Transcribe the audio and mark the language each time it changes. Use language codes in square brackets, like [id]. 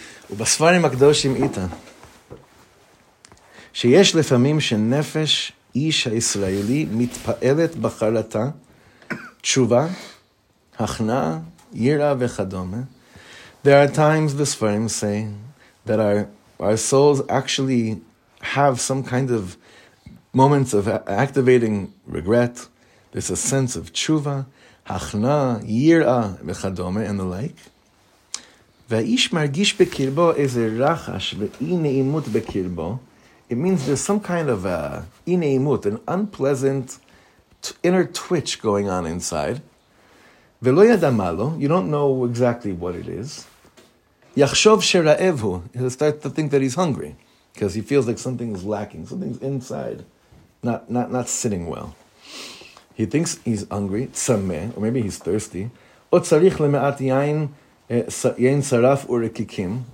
[he] ובספרים הקדושים איתה שיש לפעמים שנפש איש הישראלי מתפעלת בחרתה תשובה הכנעה יראה וכדומה. [en] There are times the ספרים say that our souls actually have some kind of moments of activating regret. There's a sense of תשובה הכנעה יראה וכדומה and the like. [he] והאיש מרגיש בקרבו איזה רחש ואי נעימות בקרבו. [en] It means there's some kind of אי נעימות, an unpleasant inner twitch going on inside. ולא ידע מה לו, you don't know exactly what it is. יחשוב שרעב הוא, he'll start to think that he's hungry, because he feels like something is lacking, something's inside, not sitting well. He thinks he's hungry, צמא, or maybe he's thirsty. [he] או צריך למעט יין, Yain Saraf or Kikim.